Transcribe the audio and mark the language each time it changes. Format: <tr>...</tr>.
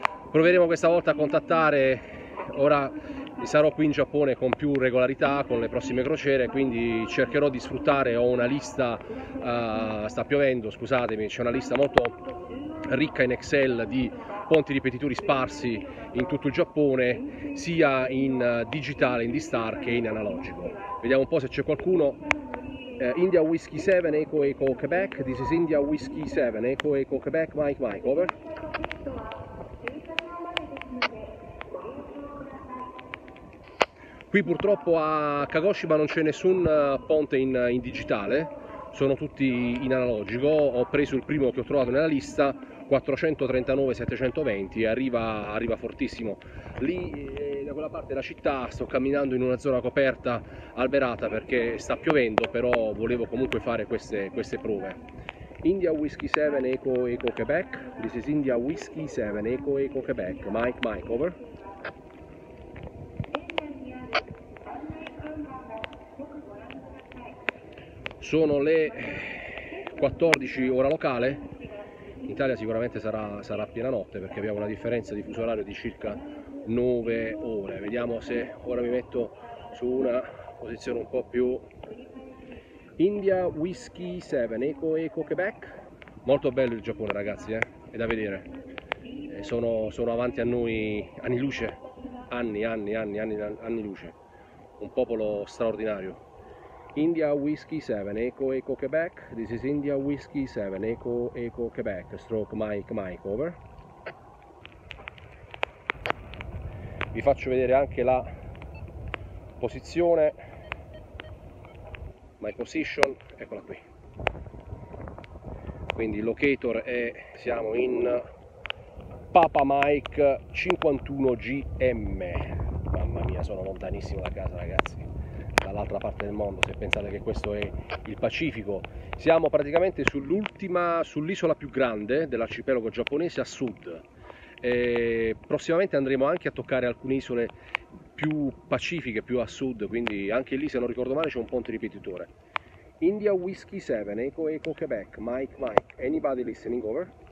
<it>Proveremo questa volta a contattare, ora sarò qui in Giappone con più regolarità, con le prossime crociere, quindi cercherò di sfruttare, ho una lista, sta piovendo, scusatemi, c'è una lista molto ricca in Excel di ponti ripetitori sparsi in tutto il Giappone, sia in digitale, in D-Star, che in analogico. Vediamo un po' se c'è qualcuno.</it> <en>India Whiskey 7, Echo Echo Quebec. This is India Whiskey 7, Echo Echo Quebec. Mike, over.</en> <it>Qui purtroppo a Kagoshima non c'è nessun ponte in digitale, sono tutti in analogico. Ho preso il primo che ho trovato nella lista, 439-720, arriva fortissimo. Lì, da quella parte della città, sto camminando in una zona coperta alberata perché sta piovendo, però volevo comunque fare queste prove.</it> <en>India Whiskey 7 Echo Echo Quebec. This is India Whiskey 7 Echo Echo Quebec. Mike, over.</en> <it>Sono le 14 ora locale. In Italia sicuramente sarà piena notte perché abbiamo una differenza di fuso orario di circa 9 ore. Vediamo se ora mi metto su una posizione un po' più.</it> <en>India Whiskey 7 Echo Echo Quebec.</en> <it>Molto bello il Giappone, ragazzi, è da vedere. Sono avanti a noi anni luce, anni luce. Un popolo straordinario.</it> <en>India Whiskey 7 Echo Echo Quebec. This is India Whiskey 7 Echo Echo Quebec. Stroke Mike, over.</en> <it>Vi faccio vedere anche la posizione.</it> <en>My position,</en> <it>eccola qui. Quindi il locator è, siamo in Papa Mike 51GM. Mamma mia, sono lontanissimo da casa, ragazzi. Dall'altra parte del mondo, se pensate che questo è il Pacifico. Siamo praticamente sull'isola più grande dell'arcipelago giapponese a sud. E prossimamente andremo anche a toccare alcune isole più pacifiche, più a sud, quindi anche lì, se non ricordo male, c'è un ponte ripetitore.</it> <en>India Whiskey 7 Echo Echo Quebec. Mike, anybody listening, over.</en>